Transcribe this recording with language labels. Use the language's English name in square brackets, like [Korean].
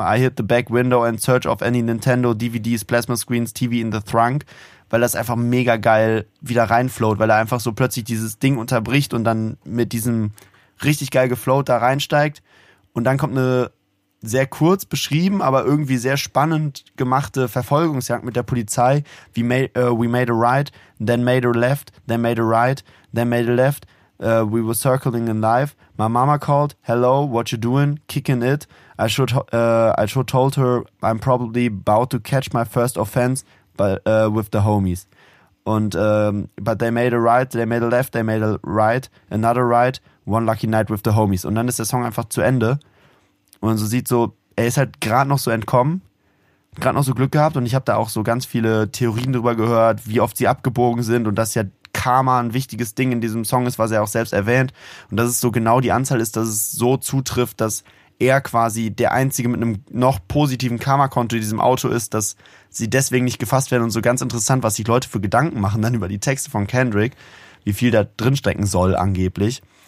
[English] I hit the back window in search of any Nintendo, DVDs, Plasma Screens, TV in the trunk. [German] Weil das einfach mega geil wieder reinflowt, weil er einfach so plötzlich dieses Ding unterbricht und dann mit diesem richtig geil geflowt da reinsteigt. Und dann kommt eine sehr kurz beschrieben, aber irgendwie sehr spannend gemachte Verfolgungsjagd mit der Polizei. [English] We made a right, then made a left. We were circling in life. My mama called. Hello, what you doing? Kicking it. I should told her I'm probably about to catch my first offense with the homies. Und but they made a right, they made a left, they made a right, another right, one lucky night with the homies. [German] Und dann ist der Song einfach zu Ende. Und man so sieht so, er ist halt gerade noch so entkommen, gerade noch so Glück gehabt. Und ich habe da auch so ganz viele Theorien drüber gehört, wie oft sie abgebogen sind und dass ja Karma ein wichtiges Ding in diesem Song ist, was er auch selbst erwähnt. Und dass es so genau die Anzahl ist, dass es so zutrifft, dass er quasi der Einzige mit einem noch positiven Karma-Konto in diesem Auto ist, dass sie deswegen nicht gefasst werden. Und so ganz interessant, was sich Leute für Gedanken machen dann über die Texte von Kendrick, wie viel da drinstecken soll angeblich.